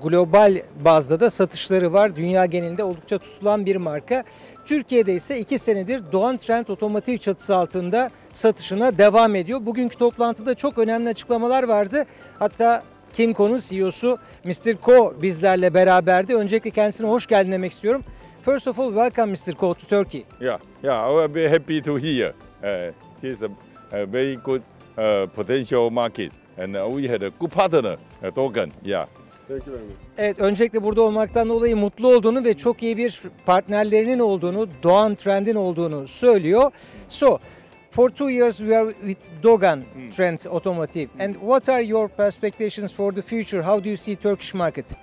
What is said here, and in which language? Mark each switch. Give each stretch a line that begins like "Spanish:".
Turkish: Global bazda da satışları var. Dünya genelinde oldukça tutulan bir marka. Türkiye'de ise 2 senedir Doğan Trend Otomotiv çatısı altında satışına devam ediyor. Bugünkü toplantıda çok önemli açıklamalar vardı. Hatta Kimco'nun CEO'su Mr. Ko bizlerle beraberdi. Öncelikle kendisine hoş geldin demek istiyorum.
English: First of all, welcome Mr. Ko to Turkey. Yeah, I will be happy to hear. This is a very good potential market and we had a good partner, Dogen. Yeah. Thank you very much.
Turkish: Evet, öncelikle burada olmaktan dolayı mutlu olduğunu ve çok iyi bir partnerlerinin olduğunu, Doğan Trend'in olduğunu söylüyor.
English: So, for 2 years we are with Dogen Trend Automotive. And what are your expectations for the future? How do you see Turkish market?